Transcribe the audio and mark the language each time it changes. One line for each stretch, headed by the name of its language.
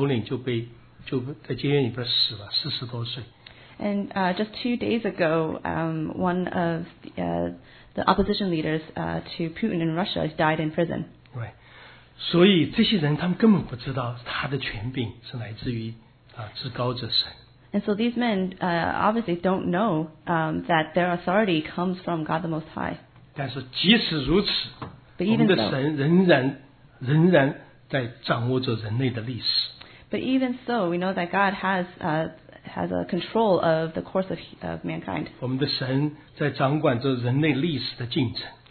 Chinese: 就在两天前,俄罗斯一个反对派的那个leader,一个首领就被在监狱里边死了,40多岁。
English: And just 2 days ago, one of the opposition leaders to Putin in Russia died in prison.
Chinese: 所以这些人他们根本不知道他的权柄是来自于至高者神。
English: And so these men obviously don't know that their authority comes from God the Most High.
Chinese: 但是即使如此,
English: But even
Chinese: 我们的神仍然在掌握着人类的历史。
English: But even so, we know that God has a control of the course of mankind.
Chinese: 我们的神在掌管着人类历史的进程。